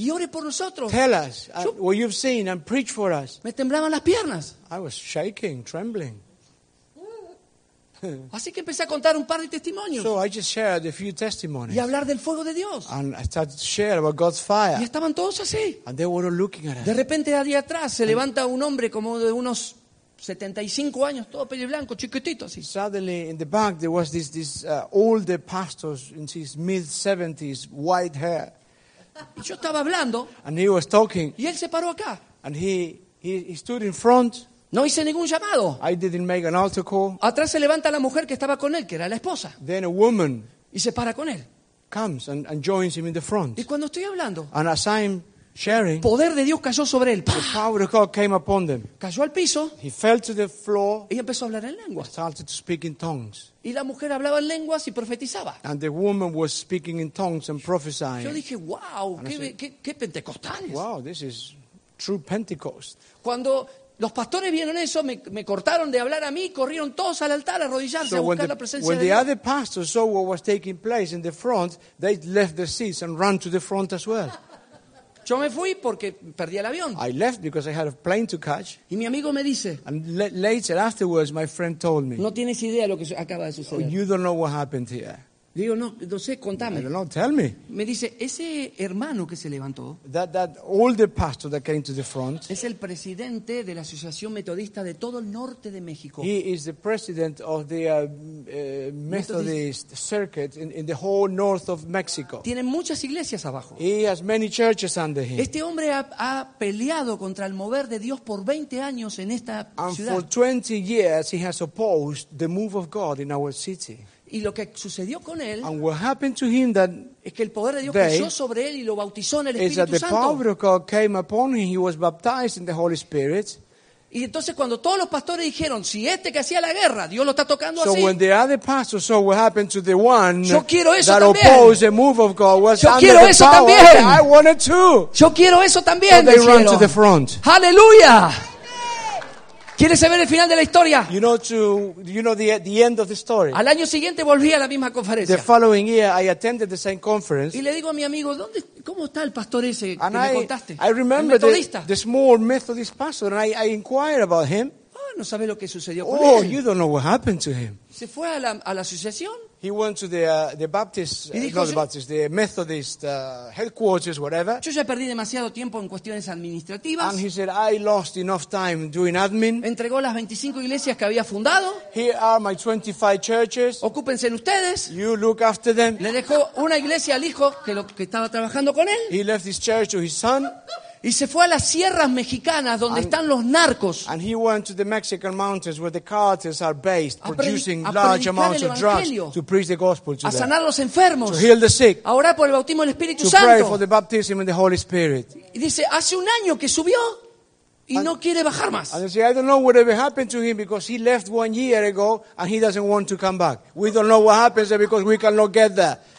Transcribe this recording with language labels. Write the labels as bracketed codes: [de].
[es] y ore por nosotros. [en] Tell us what you've seen and preach for us. [es] Me temblaban las piernas. [en] I was shaking, trembling. [es] Así que empecé a contar un par de testimonios. [en] So I just shared a few testimonies. [es] Y hablar del fuego de Dios. [en] And I started to share about God's fire. [es] Y estaban todos así. [en] And they were all looking at us. [es] De repente allí atrás se levanta un hombre como de unos 75 años, todo pelo blanco, chiquitito así. [en] Suddenly in the back there was this older pastor in his mid-70s, white hair. [es] Y yo estaba hablando. [en] And he was talking. [es] Y él se paró acá. [en] And he stood in front. [es] No hice ningún llamado. [en] I didn't make an altar call. [es] Atrás se levanta la mujer que estaba con él, que era la esposa. [en] Then a woman. [es] Y se para con él. [en] Comes and joins him in the front. [es] Y cuando estoy hablando. [en] And as I'm sharing. [es] Poder de Dios cayó sobre él. [en] The power of God came upon them. [es] Cayó al piso. [en] He fell to the floor. [es] Y empezó a hablar en lenguas. [en] Started to speak in tongues. [es] Y la mujer hablaba en lenguas y profetizaba. [en] And the woman was speaking in tongues and prophesying. [es] Yo dije, wow, qué pentecostales. [en] Wow, this is true Pentecost. [es] Cuando los pastores vieron eso, me cortaron de hablar a mí, corrieron todos al altar a arrodillarse, [en] so [es] a buscar la presencia de Dios. [en] When the other pastors saw what was taking place in the front, they left their seats and ran to the front as well. [es] Yo me fui porque perdí el avión. [en] I left because I had a plane to catch. [es] Y mi amigo me dice. [en] And later, afterwards, my friend told me. [es] No tienes idea lo que acaba de suceder. [en] You don't know what happened here. [es] Digo, no sé, contame. [en] I don't know, tell me. [es] Me dice, ese hermano que se levantó. [en] That older pastor that came to the front. [es] Es el presidente de la Asociación Metodista de todo el norte de México. [en] He is the president of the Methodist circuit in the whole north of Mexico. [es] Tiene muchas iglesias abajo. [en] He has many churches under him. [es] Este hombre ha peleado contra el mover de Dios por 20 años en esta [en] and [es] ciudad. [en] And for 20 years he has opposed the move of God in our city. [es] Y lo que sucedió con él [en] and what happened to him that [es] es que el poder de Dios cayó sobre él y lo bautizó en el Espíritu Santo. [en] The power of God came upon him. He was baptized in the Holy Spirit. [es] Y entonces cuando todos los pastores dijeron, si este que hacía la guerra, Dios lo está tocando [en] so [es] así. [en] So when the other pastors saw what happened to the one [es] yo quiero eso [en] that [es] también. [en] Opposed the move of God was [es] yo [en] under the power [es] también. [en] I wanted to. [es] Yo quiero eso también. [en] So they ran to the front. [es] Hallelujah. ¿Quieres saber el final de la historia? [en] You know, the end of the story. [es] Al año siguiente volví a la misma conferencia. [en] The following year I attended the same conference. [es] Y le digo a mi amigo, ¿dónde, cómo está el pastor ese [en] and [es] que me contaste? [en] I remember [es] el metodista. [en] The small Methodist pastor and I inquired about him. [es] Oh, no sabe lo que sucedió oh, con él. [en] Oh, you don't know what happened to him. [es] Se fue a la asociación. [en] He went to the Baptist, dijo, not the Baptist, the Methodist headquarters, whatever. [es] Yo ya perdí demasiado tiempo en cuestiones administrativas. [en] And he said, I lost enough time doing admin. [es] Entregó las 25 iglesias que había fundado. [en] Here are my 25 churches. [es] Ocúpense en ustedes. [en] You look after them. [es] Le dejó una iglesia al hijo que estaba trabajando con él. [en] He left his church to his son. [es] Y se fue a las sierras mexicanas donde están los narcos. [en] And he went to the Mexican mountains where the cartels are based, producing large amounts of drugs to preach the gospel to them. [es] A sanar los enfermos. [en] To heal the sick. [es] A orar por el bautismo del Espíritu [en] Santo. To pray for the baptism in the Holy Spirit. [es] Y dice, hace un año que subió y no quiere bajar más. [en] And he said, I don't know whatever happened to him because he left 1 year ago and he doesn't want to come back. We don't know what happens there because we cannot get there.